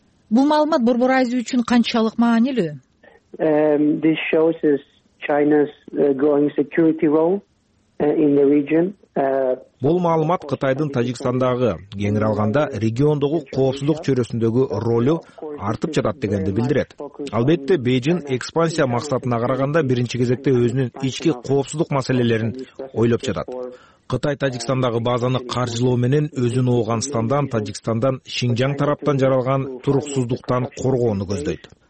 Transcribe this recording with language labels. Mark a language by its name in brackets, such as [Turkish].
[Kyrgyz] Бул маалымат Борбор Азия үчүн канчалык маанилүү? [English] This shows us China's growing security role in the region. [Kyrgyz] Бул маалымат Кытайдын Тажикстандагы, кеңири алганда региондогу коопсуздук чөйрөсүндөгү ролу артып жатат дегенди билдирет. Албетте, Бээжин экспансия максатына караганда биринчи кезекте өзүнүн ички коопсуздук маселелерин ойлоп жатат. Кытай Тажикстандагы базаны каржылоо менен өзүн Ооганстандан, Тажикстандан, Шинжаң тараптан жаралган туруксуздуктан коргоону көздөйт.